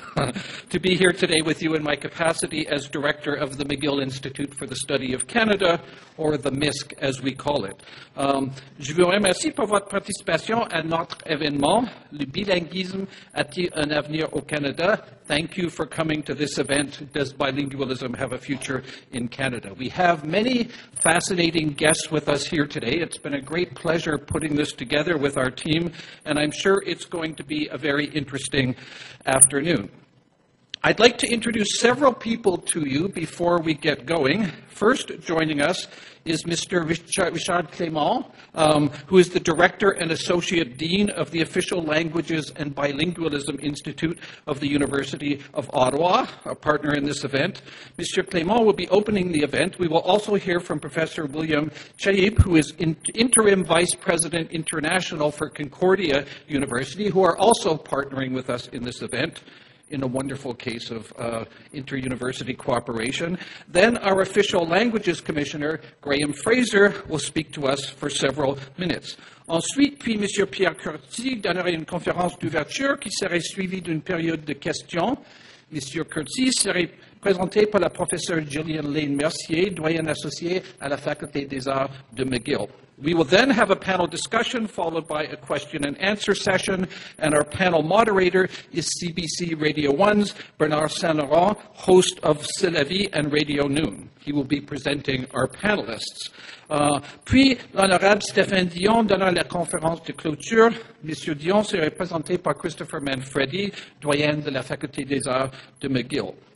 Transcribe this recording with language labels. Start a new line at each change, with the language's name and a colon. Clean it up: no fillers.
English: To be here today with you in my capacity as director of the McGill Institute for the Study of Canada, or the MISC as we call it.
French: Je vous remercie pour votre participation à notre événement. Le bilinguisme a-t-il un avenir au Canada?
English: Thank you for coming to this event. Does bilingualism have a future in Canada? We have many fascinating guests with us here today. It's been a great pleasure putting this together with our team, and I'm sure it's going to be a very interesting afternoon. I'd like to introduce several people to you before we get going. First joining us is Mr. Richard Clément, who is the Director and Associate Dean of the Official Languages and Bilingualism Institute of the University of Ottawa, a partner in this event. Mr. Clément will be opening the event. We will also hear from Professor William Chaib, who is Interim Vice President International for Concordia University, who are also partnering with us in this event. In a wonderful case of inter-university cooperation. Then our official languages commissioner, Graham Fraser, will speak to us for several minutes.
French: Ensuite, puis M. Pierre Curti donnera une conférence d'ouverture qui serait suivie d'une période de questions. M. Curti serait présenté par la professeure Gillian Lane Mercier, doyenne associée à la Faculté des Arts de McGill.
English: We will then have a panel discussion followed by a question and answer session, and our panel moderator is CBC Radio 1's Bernard Saint-Laurent, host of C'est la vie and Radio Noon. He will be presenting our panelists.
French: Puis, l'honorable Stéphane Dion donnera la conférence de clôture. Monsieur Dion serait présenté par Christopher Manfredi, doyen de la Faculté des Arts de McGill.